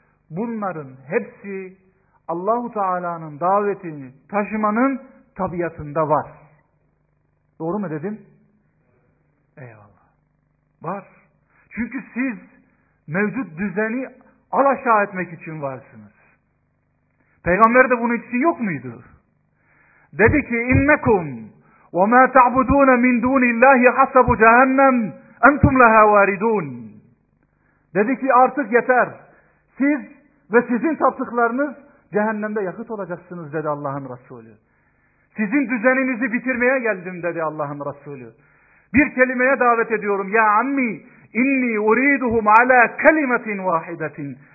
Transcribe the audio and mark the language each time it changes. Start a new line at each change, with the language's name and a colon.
Turkish: Bunların hepsi Allah-u Teala'nın davetini taşımanın tabiatında var. Doğru mu dedim? Eyvallah. Var. Çünkü siz mevcut düzeni alaşağı etmek için varsınız. Peygamber de bunun için yok muydu? Dedi ki,
Arabic: اِنَّكُمْ وَمَا تَعْبُدُونَ مِنْ دُونِ اللّٰهِ حَسَبُ جَهَنَّمْ اَنْتُمْ لَهَا وَارِدُونَ
Turkish: Dedi ki, artık yeter. Siz ve sizin taptıklarınız cehennemde yakıt olacaksınız dedi Allah'ın Resulü. Sizin düzeninizi bitirmeye geldim dedi Allah'ın Resulü. Bir kelimeye davet ediyorum.
Arabic: Ya ammi inni uriduhum ala kelimetin vahidetin.